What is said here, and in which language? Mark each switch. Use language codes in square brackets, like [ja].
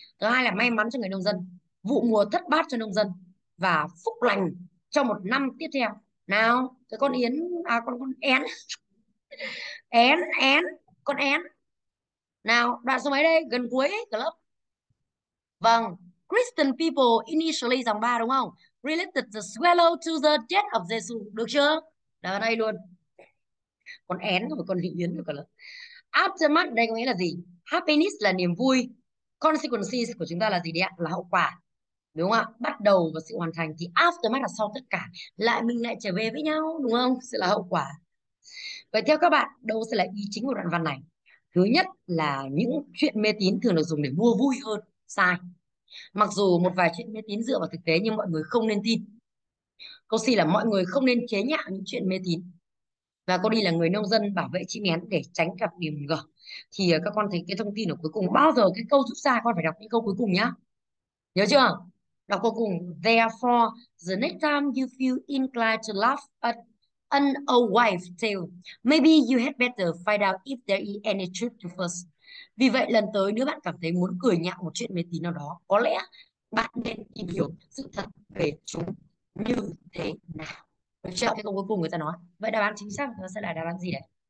[vi] Thứ hai là may mắn cho người nông dân, vụ mùa thất bát cho nông dân và phúc lành cho một năm tiếp theo. Nào, cái con yến, à con én. Én, én, con én. Nào, đoạn số mấy đây? Gần cuối ấy, cả lớp. Vâng, [en] Christian people initially [vi] dòng 3 đúng không? [en] Related the swallow to the death of Jesus. [vi] Được chưa? Đó đây luôn. Con én rồi con yến rồi cả lớp. Aftermath đây có nghĩa là gì? Happiness là niềm vui. Consequences của chúng ta là gì đấy ạ? Là hậu quả. Đúng không ạ? Bắt đầu và sự hoàn thành thì aftermath là sau tất cả. Lại mình lại trở về với nhau đúng không? Sẽ là hậu quả. Vậy theo các bạn, đâu sẽ là ý chính của đoạn văn này? Thứ nhất là những chuyện mê tín thường được dùng để mua vui hơn. Sai. Mặc dù một vài chuyện mê tín dựa vào thực tế nhưng mọi người không nên tin. Câu C là mọi người không nên chế nhạo những chuyện mê tín. Và cô đi là người nông dân bảo vệ chim én để tránh gặp điềm gở. Thì các con thấy cái thông tin ở cuối cùng, bao giờ cái câu rút ra con phải đọc những câu cuối cùng nhá. Nhớ chưa? Đọc cuối cùng. [en] Therefore, the next time you feel inclined to laugh at an old wife tale, maybe you had better find out if there is any truth to first. [vi] Vì vậy lần tới nếu bạn cảm thấy muốn cười nhạo một chuyện mê tín nào đó, có lẽ bạn nên tìm hiểu sự thật về chúng như thế nào. Được chưa? Cái câu cuối cùng người ta nói. Vậy đáp án chính xác nó sẽ là đáp án gì đấy?